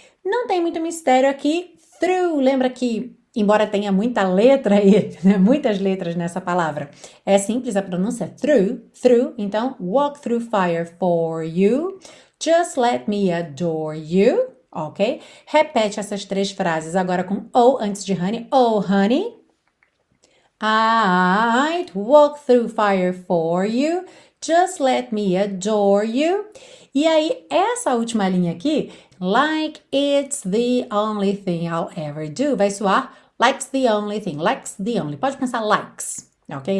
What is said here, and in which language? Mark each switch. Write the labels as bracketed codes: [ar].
[pt] Não tem muito mistério aqui. Through, lembra que, embora tenha muita letra aí, né, muitas letras nessa palavra, é simples a pronúncia. Through, through. [en] Então, walk through fire for you. Just let me adore you. Ok? [pt] Repete essas três frases agora com oh antes de honey. [en] Oh, honey. I'd walk through fire for you. Just let me adore you. [pt] E aí, essa última linha aqui, [en] like it's the only thing I'll ever do, [pt] vai soar like's the only thing, like's the only, pode pensar likes, ok?